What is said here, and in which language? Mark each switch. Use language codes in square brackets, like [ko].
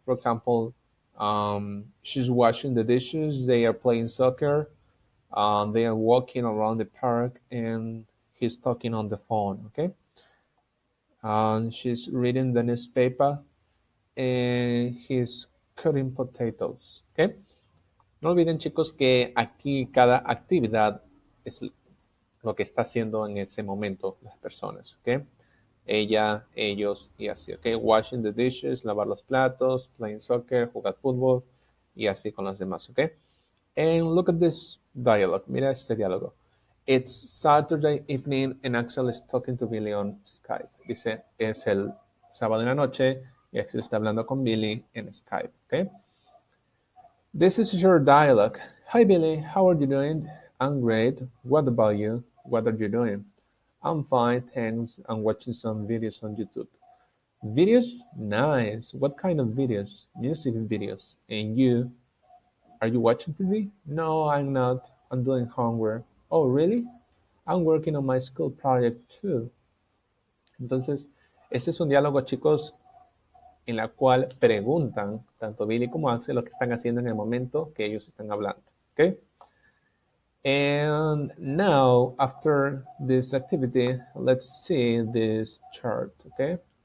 [en] For example, she's washing the dishes, they are playing soccer, they are walking around the park, and he's talking on the phone, okay? And she's reading the newspaper, and he's cutting potatoes, okay? [es] No olviden, chicos, que aquí cada actividad es lo que está haciendo en ese momento las personas, okay? Ella, ellos y así, ¿ok? [en] Washing the dishes, [es] lavar los platos, [en] playing soccer, [es] jugar fútbol y así con las demás, ¿ok? [en] And look at this dialogue. [es] Mira este diálogo. [en] It's Saturday evening and Axel is talking to Billy on Skype. [es] Dice, es el sábado en la noche y Axel está hablando con Billy en Skype, ¿ok? [en] This is your dialogue. Hi, Billy. How are you doing? I'm great. What about you? What are you doing? I'm fine, thanks. I'm watching some videos on YouTube. Videos? Nice. What kind of videos? Music videos. And you? Are you watching TV? No, I'm not. I'm doing homework. Oh, really? I'm working on my school project too. [es] Entonces, este es un diálogo, chicos, en la cual preguntan tanto Billy como Axel lo que están haciendo en el momento que ellos están hablando. ¿Ok? [en] And now, after this activity, let's see this chart, okay?